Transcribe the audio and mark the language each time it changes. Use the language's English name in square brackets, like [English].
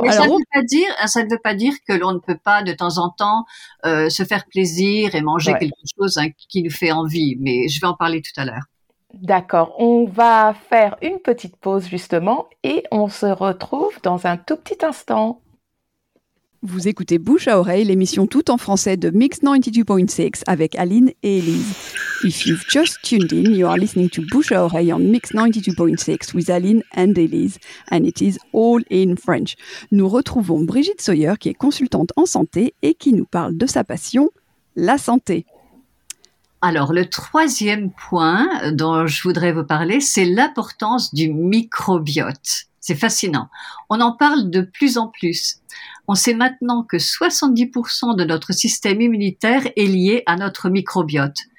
[French] Mais ça ne veut pas dire que l'on ne peut pas de temps en temps se faire plaisir et manger quelque chose qui nous fait envie. Mais je vais en parler tout à l'heure. D'accord. On va faire une petite pause justement et on se retrouve dans un tout petit instant. Vous écoutez Bouche à oreille, l'émission toute en français de Mix 92.6 avec Aline et Elise. [English] If you've just tuned in, you are listening to Bouche à oreille on Mix 92.6 with Aline and Elise, and it is all in French. [French] Nous retrouvons Brigitte Sawyer, qui est consultante en santé et qui nous parle de sa passion, la santé. Alors, le troisième point dont je voudrais vous parler, c'est l'importance du microbiote. C'est fascinant. On en parle de plus en plus. On sait maintenant que 70% de notre système immunitaire est lié à notre microbiote.